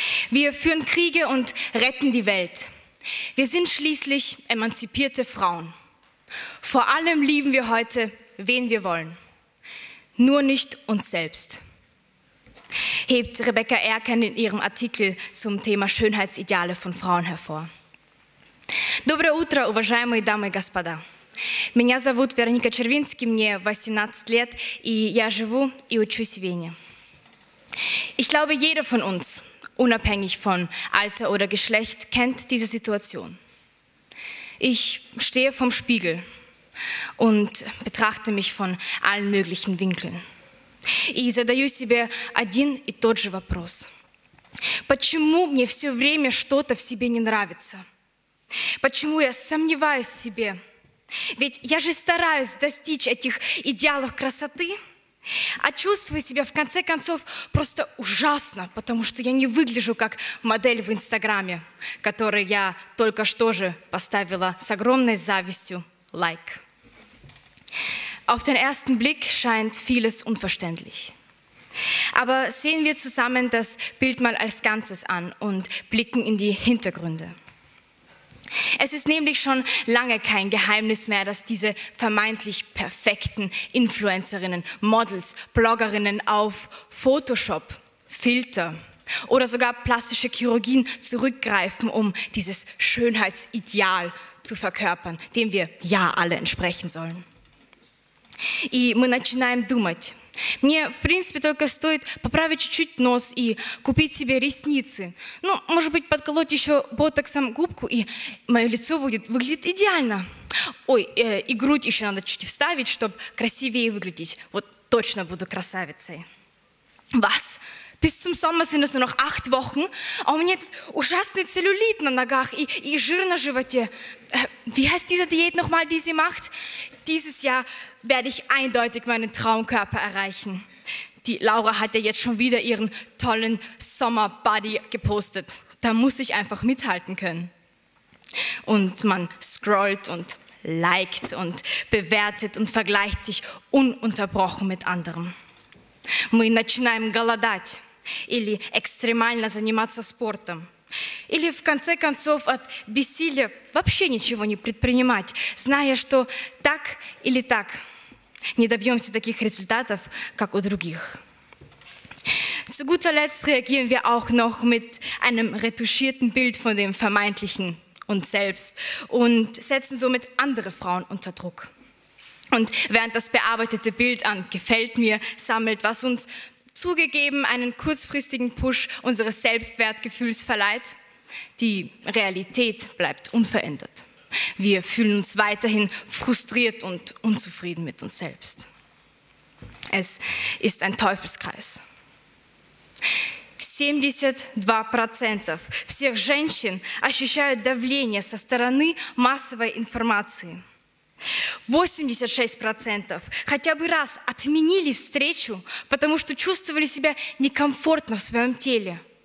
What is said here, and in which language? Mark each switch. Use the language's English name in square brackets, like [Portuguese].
[German] Wir führen Kriege und retten die Welt. Wir sind schließlich emanzipierte Frauen. Vor allem lieben wir heute, wen wir wollen. Nur nicht uns selbst. Hebt Rebecca Erkan in ihrem Artikel zum Thema Schönheitsideale von Frauen hervor. [Russian] Доброе утро, уважаемые дамы и господа. Меня зовут Вероника Червинский, мне 18 лет, и я живу и учусь в Вене. [German] Ich glaube, jeder von uns, unabhängig von Alter oder Geschlecht, kennt diese Situation. Ich stehe vorm Spiegel und betrachte mich von allen möglichen Winkeln. [Russian] И задаю себе один и тот же вопрос. Почему мне все время что-то в себе не нравится? Почему я сомневаюсь в себе? Ведь я же стараюсь достичь этих идеалов красоты, а чувствую себя в конце концов просто ужасно, потому что я не выгляжу как модель в Инстаграме, которой я только что же поставила с огромной завистью лайк. [German] Auf den ersten Blick scheint vieles unverständlich. Aber sehen wir zusammen das Bild mal als Ganzes an und blicken in die Hintergründe. Es ist nämlich schon lange kein Geheimnis mehr, dass diese vermeintlich perfekten Influencerinnen, Models, Bloggerinnen auf Photoshop, Filter oder sogar plastische Chirurgien zurückgreifen, um dieses Schönheitsideal zu verkörpern, dem wir ja alle entsprechen sollen. [Russian] И мы начинаем думать. Мне, в принципе, только стоит поправить чуть-чуть нос и купить себе ресницы. Ну, может быть, подколоть еще ботоксом губку, и мое лицо будет выглядеть идеально. Ой, и грудь еще надо чуть вставить, чтобы красивее выглядеть. Вот точно буду красавицей. [German] Was? Bis zum Sommer sind es nur noch 8 Wochen, [Russian] а у меня этот ужасный целлюлит на ногах и жир на животе. [German] Wie heißt diese Diät nochmal, die sie macht? Dieses Jahr werde ich eindeutig meinen Traumkörper erreichen. Die Laura hat ja jetzt schon wieder ihren tollen Sommerbody gepostet. Da muss ich einfach mithalten können. Und man scrollt und liked und bewertet und vergleicht sich ununterbrochen mit anderen. [Russian] Мы начинаем голодать или экстремально заниматься спортом. Или в конце концов от бессилия вообще ничего не предпринимать, зная, что так или так не добьемся таких результатов, как у других. [German] Zu guter Letzt reagieren wir auch noch mit einem retuschierten Bild von dem vermeintlichen uns selbst und setzen somit andere Frauen unter Druck. Und während das bearbeitete Bild an Gefällt mir sammelt, was uns zugegeben einen kurzfristigen Push unseres Selbstwertgefühls verleiht, die Realität bleibt unverändert. Wir fühlen uns weiterhin frustriert und unzufrieden mit uns selbst. Es ist ein Teufelskreis. [Russian] 72% всех женщин ощущают давление со стороны массовой информации. 86% хотя бы раз отменили встречу, потому что чувствовали себя некомфортно в своем теле.